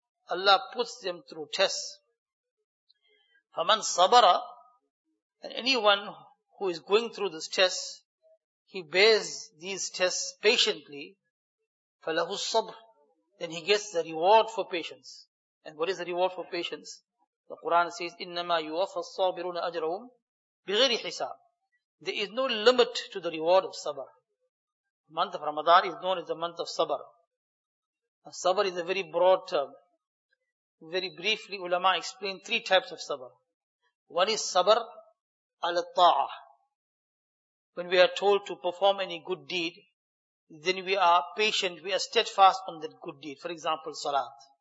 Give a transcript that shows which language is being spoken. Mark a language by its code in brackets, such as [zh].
[en] Allah puts them through tests. [ar] فَمَنْ صَبَرَ. [en] And anyone who is going through this test, he bears these tests patiently, [ar] فَلَهُ الصَّبْرُ. [en] Then he gets the reward for patience. And what is the reward for patience? The Quran says, [ar] إِنَّمَا يُوَفَى الصَّابِرُونَ أَجْرَهُمْ بِغَيْرِ حِسَابٍ. [en] There is no limit to the reward of sabr. The month of Ramadan is known as the month of sabr. Sabr is a very broad term. Very briefly, ulama explained three types of sabr. One is sabr [ar] عَلَى الطَّاعَةِ. [en] When we are told to perform any good deed, then we are patient, we are steadfast on that good deed. For example, salat.